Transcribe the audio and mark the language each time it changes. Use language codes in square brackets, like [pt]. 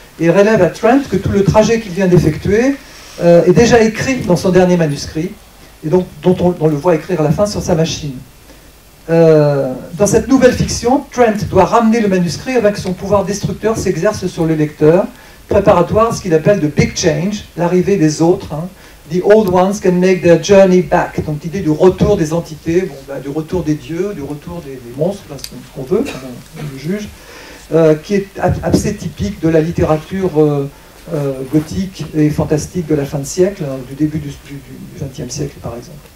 [fr] Et relève à Trent que tout le trajet qu'il vient d'effectuer est déjà écrit dans son dernier manuscrit, et donc dont on le voit écrire à la fin sur sa machine. Dans cette nouvelle fiction, Trent doit ramener le manuscrit avec son pouvoir destructeur s'exerce sur le lecteur, préparatoire à ce qu'il appelle de [en] big change, [fr] l'arrivée des autres. Hein. [en] The old ones can make their journey back. [fr] Donc l'idée du retour des entités, bon, ben, du retour des dieux, du retour des monstres, ben, c'est ce qu'on veut, comme on le juge. Qui est assez typique de la littérature gothique et fantastique de la fin de siècle, hein, du début du XXe siècle, par exemple.